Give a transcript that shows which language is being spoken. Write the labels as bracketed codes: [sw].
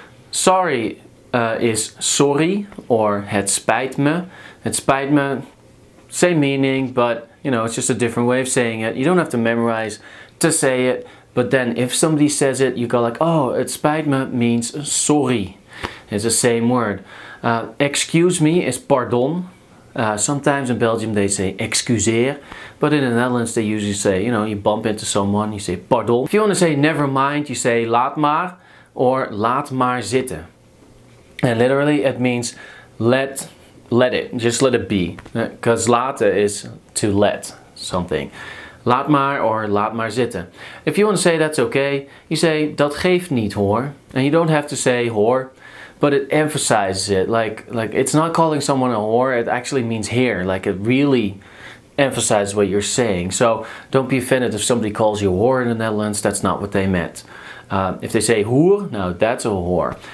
[en] Sorry is sorry, or [nl] het spijt me. Het spijt me, [en] same meaning, but you know, it's just a different way of saying it. You don't have to memorize to say it, but then if somebody says it, you go like, oh, [nl] het spijt me [en] means sorry. It's the same word. Excuse me is pardon. Sometimes in Belgium they say excuseer, but in the Netherlands they usually say, you know, you bump into someone, you say pardon. If you want to say never mind, you say [nl] laat maar, [en] or [nl] laat maar zitten. [en] And literally, it means let it, just let it be. Because laten is to let something. [nl] Laat maar [en] or [nl] laat maar zitten. [en] If you want to say that's okay, you say [nl] dat geeft niet hoor. [en] And you don't have to say hoor, but it emphasizes it. Like it's not calling someone a whore, it actually means here. Like it really emphasizes what you're saying. So don't be offended if somebody calls you a whore in the Netherlands, that's not what they meant. If they say hoer, now that's a whore.